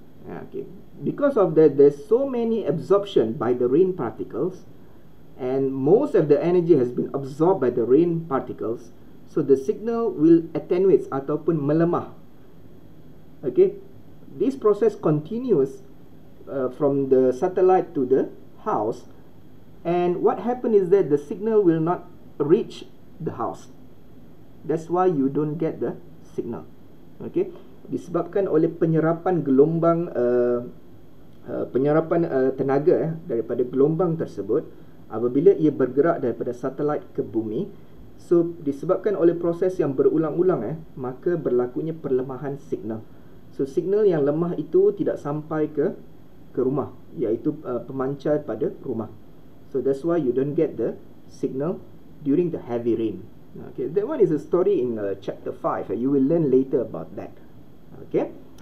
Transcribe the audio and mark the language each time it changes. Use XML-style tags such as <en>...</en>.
<en>Okay, because of that, there's so many absorption by the rain particles, and most of the energy has been absorbed by the rain particles, so the signal will attenuate</en> <ms>ataupun melemah.</ms> <en>Okay, this process continues from the satellite to the house, and what happened is that the signal will not reach the house. That's why you don't get the signal.</en> <ms>Okay, disebabkan oleh penyerapan gelombang penyerapan tenaga daripada gelombang tersebut apabila ia bergerak daripada satelit ke bumi. So disebabkan oleh proses yang berulang-ulang maka berlakunya perlemahan signal. So signal yang lemah itu tidak sampai ke rumah, iaitu pemancar pada rumah.</ms> <en>So that's why you don't get the signal during the heavy rain. Okay, that one is a story in chapter 5. You will learn later about that. Okay.</en>